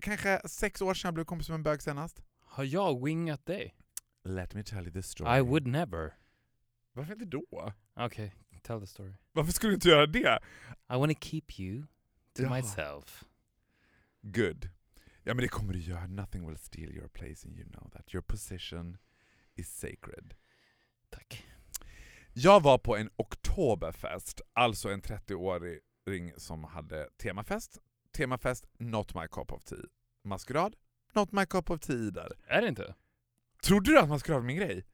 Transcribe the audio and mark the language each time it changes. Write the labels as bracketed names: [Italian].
[Swedish] Kanske 6 år sedan jag blev kompis med en bög senast. Har jag wingat dig? [English] Let me tell you the story. I would never. [Swedish] Varför inte då? [English] Okej, okay, tell the story. [Swedish] Varför skulle du inte göra det? [English] I want to keep you to myself. [Swedish] Good. Ja, men det kommer du göra. [English] Nothing will steal your place and you know that. Your position is sacred. [Swedish] Tack. Jag var på en oktoberfest. Alltså en 30-åring som hade temafest. [English] Temafest, not my cup of tea. Maskerad, not my cup of tea där. [Swedish] Är det inte? Trodde du att man skulle ha min grej?